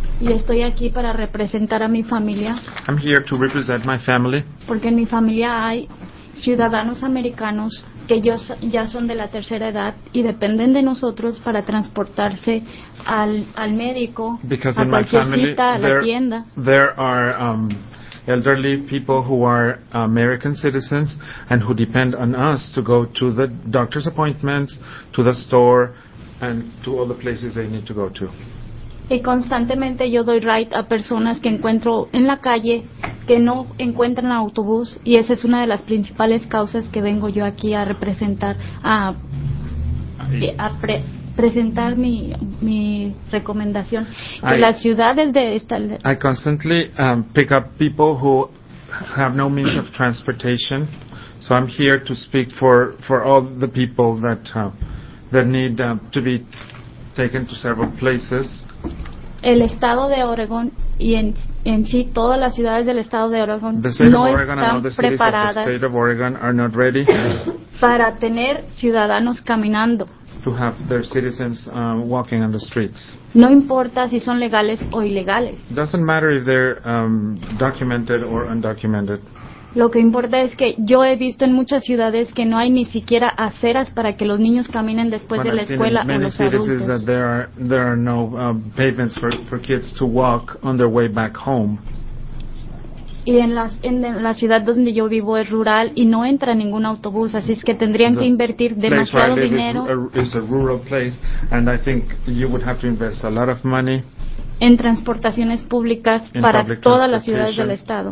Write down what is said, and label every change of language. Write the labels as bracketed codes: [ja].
[es] Y estoy aquí para representar a mi familia. [en] I'm here to represent my family. [es] Porque en mi familia hay ciudadanos americanos que ya son de la tercera edad y dependen de nosotros para transportarse al médico, [en] because [es] a cualquier cita, a la tienda. [en] There are elderly people who are American citizens and who depend on us to go to the doctor's appointments, to the store, and to all the places they need to go to. [es] Y constantemente yo doy ride a personas que encuentro en la calle que no encuentran autobús, y esa es una de las principales causas que vengo yo aquí a representar, presentar mi recomendación, que las ciudades de esta... [en] I constantly pick up people who have no means of transportation, so I'm here to speak for all the people that need to be taken to several places. [es] El estado de Oregon y en sí todas las ciudades del estado de Oregon no están preparadas para tener ciudadanos caminando. [en] To have their citizens walking on the streets. [es] No importa si son legales o ilegales. [en] Doesn't matter if they're documented or undocumented. [es] Lo que importa es que yo he visto en muchas ciudades que no hay ni siquiera aceras para que los niños caminen después de la escuela o los adultos. [en] There are no pavements for kids to walk on their way back home. [es] Y en la ciudad donde yo vivo es rural y no entra ningún autobús, así es que tendrían que invertir demasiado dinero. [en] It's a rural place, and I think you would have to invest a lot of money [es] en transportaciones públicas para todas las ciudades del estado.